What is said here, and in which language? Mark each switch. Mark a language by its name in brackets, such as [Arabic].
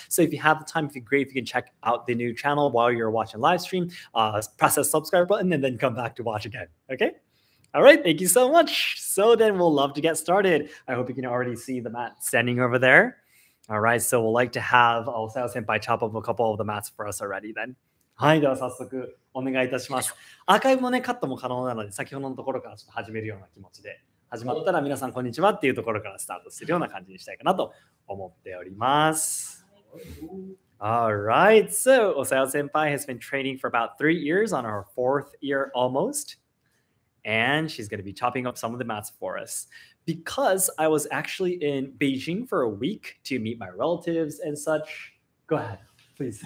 [English] So if you have the time, it'd be great if you can check out the new channel while you're watching live stream, press that subscribe button and then come back to watch again. Okay? All right, thank you so much. So then we'll love to get started. I hope you can already see the mat standing over there. All right, so we'll like to have Osaka Senpai chop up a couple of the mats for us already then. [Japanese] はい、では早速お願いいたします。アーカイブもね、カットも可能なので、先ほどのところからちょっと始めるような気持ちで、始まったら皆さんこんにちはっていうところからスタートするような感じにしたいかなと思っております。 [English] All right, so Osaka Senpai has been training for about 3 years on her fourth year almost. And she's going to be chopping up some of the mats for us. Because I was actually in Beijing for a week to meet my relatives and such. Go ahead, please.